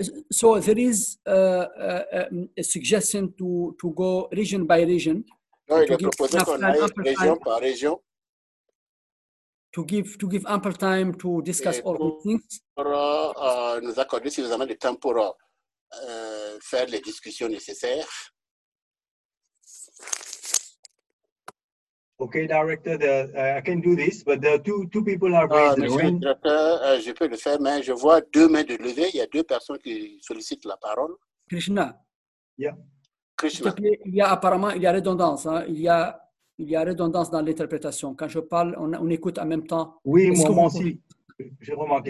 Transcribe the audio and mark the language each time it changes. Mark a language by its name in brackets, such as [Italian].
[English] So there is a suggestion to go region by region. [French] Non, il est proposé qu'on aille région par région. [English] To give ample time to discuss et all [French] pour, [English] the things. [French] Pour nous accorder suffisamment de temps pour faire les discussions nécessaires. [English] Ok, directeur, I can do this, but there are two people are raised. [French] Monsieur le directeur, je peux le faire, mais je vois deux mains de levée. Il y a deux personnes qui sollicitent la parole. Krishna. [English] Yeah. Krishna. [French] Il y a apparemment, il y a redondance. Hein? Il y a redondance dans l'interprétation. Quand je parle, on écoute en même temps. Oui, est-ce moi aussi. Pouvez... J'ai remarqué.